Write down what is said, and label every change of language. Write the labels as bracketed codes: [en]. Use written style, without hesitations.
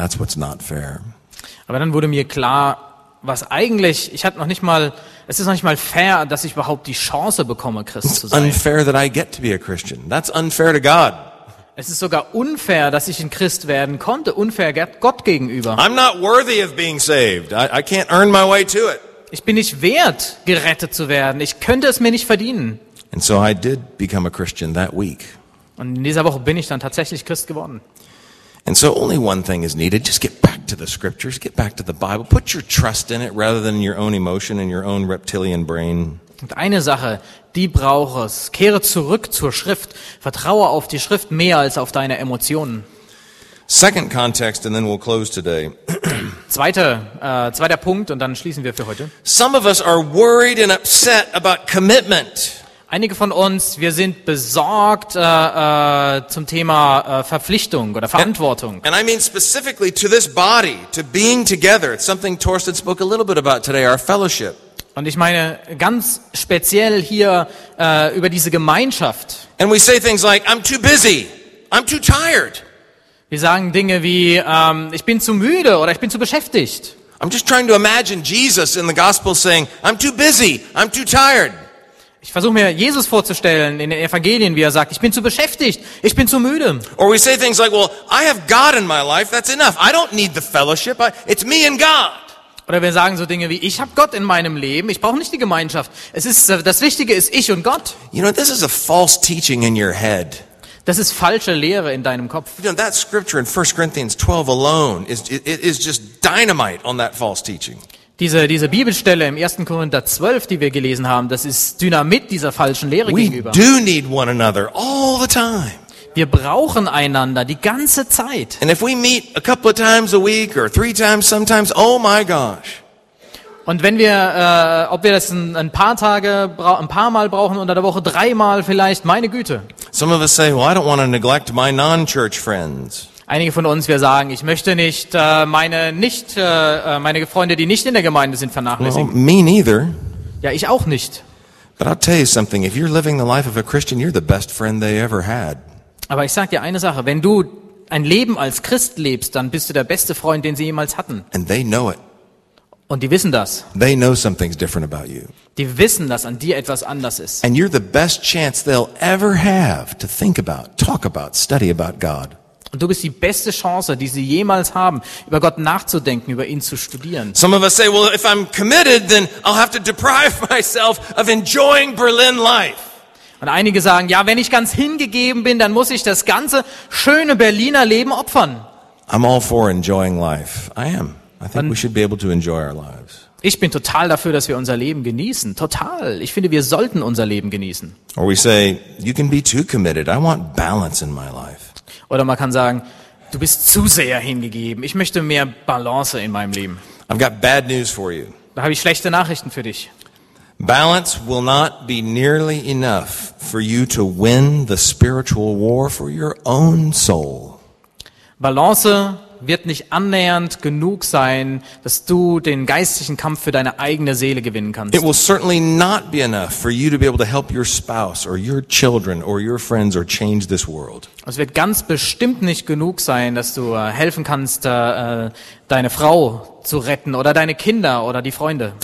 [en] That's what's not fair. [de] Aber dann wurde mir klar, es ist noch nicht mal fair, dass ich überhaupt die Chance bekomme, Christ zu sein. [en] It's unfair that I get to be a Christian. That's unfair to God. [de] Es ist sogar unfair, dass ich ein Christ werden konnte, unfair Gott gegenüber. [en] I'm not worthy of being saved. I can't earn my way to it. [de] Ich bin nicht wert, gerettet zu werden. Ich könnte es mir nicht verdienen. [en] And so I did become a Christian that week. [de] Und in dieser Woche bin ich dann tatsächlich Christ geworden. [en] And so only one thing is needed. Just get back to the scriptures. Get back to the Bible. Put your trust in it rather than your own emotion and your own reptilian brain. [de] Und eine Sache, die brauche es. Kehre zurück zur Schrift. Vertraue auf die Schrift mehr als auf deine Emotionen. [en] Second context and then we'll close today. [de] Zweiter Punkt und dann schließen wir für heute. [en] Some of us are worried and upset about commitment. [de] Einige von uns, wir sind besorgt zum Thema Verpflichtung oder Verantwortung. [en] And I mean specifically to this body, to being together. It's something Torsten spoke a little bit about today, our fellowship. [de] Und ich meine ganz speziell hier über diese Gemeinschaft. [en] And we say things like, I'm too busy, I'm too tired. [de] Wir sagen Dinge wie, ich bin zu müde oder ich bin zu beschäftigt. [en] I'm just trying to imagine Jesus in the gospel saying, I'm too busy, I'm too tired. [de] Ich versuche mir Jesus vorzustellen in den Evangelien, wie er sagt, ich bin zu beschäftigt, ich bin zu müde. [en] Or we say things like, well, I have God in my life, that's enough. I don't need the fellowship, it's me and God. [de] Oder wir sagen so Dinge wie, ich habe Gott in meinem Leben, ich brauche nicht die Gemeinschaft. Das Wichtige ist ich und Gott. [en] You know, this is a false teaching in your head. [de] Das ist falsche Lehre in deinem Kopf. [en] You know, that scripture in 1 Corinthians 12 alone is just dynamite on that false teaching. [de] Diese Bibelstelle im 1. Korinther 12, die wir gelesen haben, das ist Dynamit dieser falschen Lehre [en] we [de] gegenüber. [en] Do need one another all the time. [de] Wir brauchen einander die ganze Zeit. [en] And if we meet a couple of times a week or three times sometimes, oh my gosh. [de] Und wenn wir ob wir das ein paar Tage ein paar Mal brauchen unter der Woche dreimal vielleicht, meine Güte. [en] Some of us say, well, I don't want to neglect my non-church friends. [de] Einige von uns, wir sagen, ich möchte nicht meine Freunde, die nicht in der Gemeinde sind, vernachlässigen. [en] Well, me neither. [de] Ja, ich auch nicht. [en] But I'll tell you something, if you're living the life of a Christian, you're the best friend they ever had. [de] Aber ich sag dir eine Sache, wenn du ein Leben als Christ lebst, dann bist du der beste Freund, den sie jemals hatten. [en] And they know it. [de] Und die wissen das. [en] They know something's different about you. [de] Die wissen, dass an dir etwas anders ist. [en] And you're the best chance they'll ever have to think about, talk about, study about God. [de] Und du bist die beste Chance, die sie jemals haben, über Gott nachzudenken, über ihn zu studieren. [en] Some of us say, well, if I'm committed, then I'll have to deprive myself of enjoying Berlin life. [de] Und einige sagen, ja, wenn ich ganz hingegeben bin, dann muss ich das ganze schöne Berliner Leben opfern. [en] I'm all for enjoying life. I am. I think we should be able to enjoy our lives. [de] Ich bin total dafür, dass wir unser Leben genießen. Total. Ich finde, wir sollten unser Leben genießen. [en] Or we say, you can be too committed. I want balance in my life. [de] Oder man kann sagen, du bist zu sehr hingegeben. Ich möchte mehr Balance in meinem Leben. [en] I've got bad news for you. [de] Da habe ich schlechte Nachrichten für dich. [en] Balance will not be nearly enough for you to win the spiritual war for your own soul. [de] Balance wird nicht annähernd genug sein, dass du den geistlichen Kampf für deine eigene Seele gewinnen kannst. [en] It will certainly not be enough for you to be able to help your spouse or your children or your friends or change this world. [de] Es wird ganz bestimmt nicht genug sein, dass du helfen kannst, deine Frau zu retten oder deine Kinder oder die Freunde.